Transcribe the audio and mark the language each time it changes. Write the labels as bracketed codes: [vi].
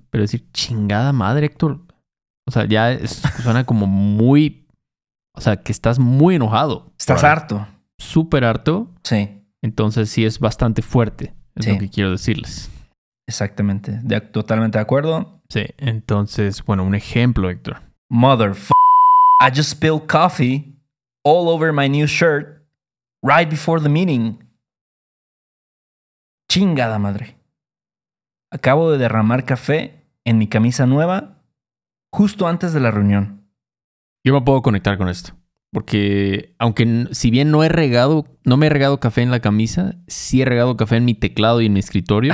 [es] Pero decir, chingada madre, Héctor. O sea, ya suena como muy... O sea, que estás muy enojado. Estás harto. Súper harto. Sí. Entonces sí es bastante fuerte. Es lo que quiero decirles. Exactamente. Totalmente de acuerdo. Sí. Entonces, bueno, un ejemplo, Héctor. [en] Motherfucker, I just spilled coffee all over my new shirt right before the meeting. [es] Chingada madre. Acabo de derramar café en mi camisa nueva justo antes de la reunión. Yo me puedo conectar con esto. Porque aunque si bien no me he regado café en la camisa, sí he regado café en mi teclado y en mi escritorio.